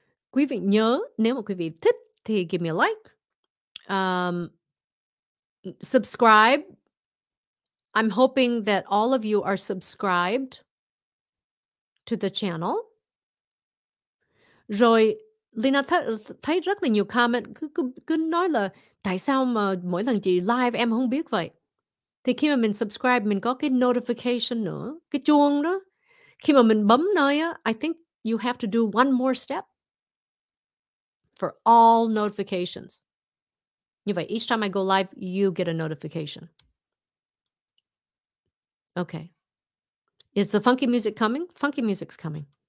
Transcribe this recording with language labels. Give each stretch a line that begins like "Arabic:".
Vietnamese: Quý vị nhớ, nếu mà quý vị thích thì
English: give me a like. Subscribe. I'm hoping that all of you are subscribed to the channel.
Vietnamese: Rồi, Lina thấy rất là nhiều comment. Cứ nói là tại sao mà mỗi lần chị live em không biết vậy? Thì khi mà mình subscribe, mình có cái notification nữa, cái chuông đó. Khi mà mình bấm nơi á,
English: I think you have to do one more step for all notifications.
Vietnamese: Như vậy,
English: each time I go live, you get a notification. Okay. Is the funky music coming? Funky music's coming.